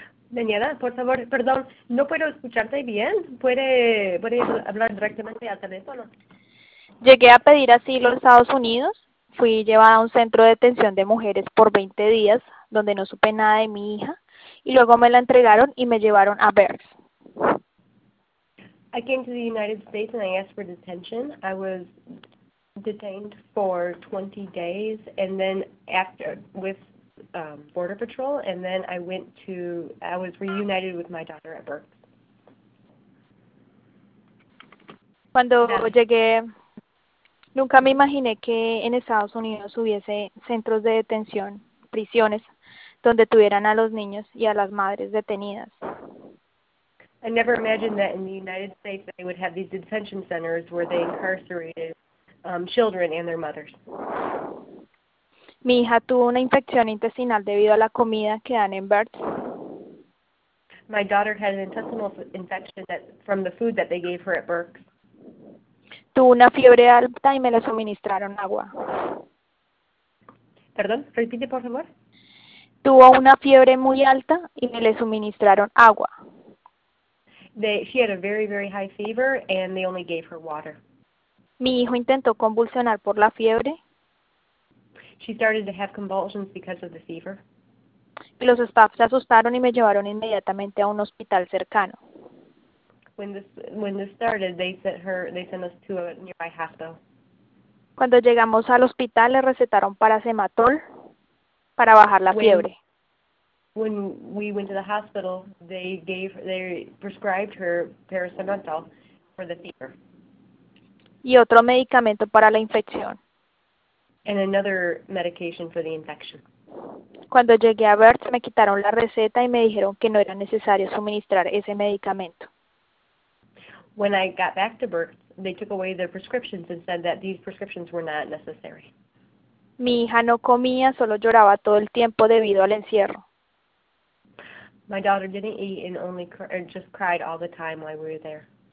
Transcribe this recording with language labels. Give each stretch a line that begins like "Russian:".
Spanish: Daniela, por favor, perdón, no puedo escucharte bien. ¿Puede hablar directamente al teléfono? Llegué a pedir asilo a Estados Unidos. Fui llevada a un centro de detención de mujeres por 20 días, donde no supe nada de mi hija. Y luego me la entregaron y me llevaron a Berks.
English: I came to the United States and I asked for detention. I was detained for 20 days and then after with Border Patrol, and then I was reunited with my daughter at Berks.
Spanish: Cuando llegué, nunca me imaginé que en Estados Unidos hubiese centros de detención, prisiones, donde tuvieran a los niños y a las madres detenidas.
English: I never imagined that in the United States they would have these detention centers where they incarcerated children and their mothers.
Spanish: Mi hija tuvo una infección intestinal debido a la comida que dan en Berks.
English: My daughter had an intestinal infection from the food that they gave her at Berks.
Spanish: Tuvo una fiebre alta y me le suministraron agua. Perdón, repite por favor. Tuvo una fiebre muy alta y me le suministraron agua.
English: She had a very, very high fever, and they only gave her water.
Spanish: Mi hijo intentó convulsionar por la fiebre.
English: She started to have convulsions because of the fever.
Spanish: Y los staff se asustaron y me llevaron inmediatamente a un hospital cercano.
English: When this started, they sent us to a nearby hospital.
Spanish: Cuando llegamos al hospital, le recetaron paracetamol para bajar la fiebre.
English: When we went to the hospital, they prescribed her paracetamol for the fever.
Spanish: Y otro medicamento para la infección.
English: And another medication for the infection.
Spanish: Cuando llegué a Berks, me quitaron la receta y me dijeron que no era necesario suministrar ese medicamento.
English: When I got back to Berks, they took away their prescriptions and said that these prescriptions were not necessary.
Spanish: Mi hija no comía, solo lloraba todo el tiempo debido al encierro.
English: My daughter didn't eat and only just cried all the time while we were there.